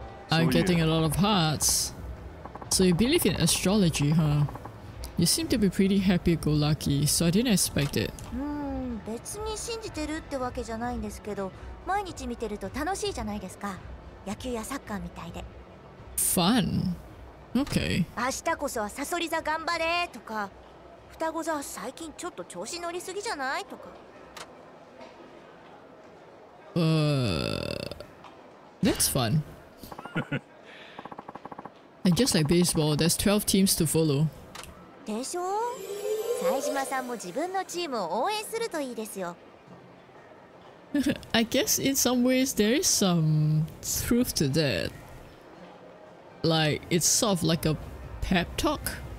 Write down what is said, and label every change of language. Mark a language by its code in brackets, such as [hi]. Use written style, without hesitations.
[en] I'm getting a lot of hearts. So you believe in astrology, huh? You seem to be pretty happy-go-lucky, so I didn't expect it. Hmm, I don't believe in it, but it's fun to watch every day, right? Fun. Okay. [ja] 明日こそはサソリ座頑張れとか、双子座最近ちょっと調子乗りすぎじゃない?とか. [en] That's fun. And just like baseball, there's 12 teams to follow. [ja] でしょ? 佐島さんも自分のチームを応援するといいですよ. [en] I guess in some ways there is some truth to that. Like, it's sort of like a pep talk?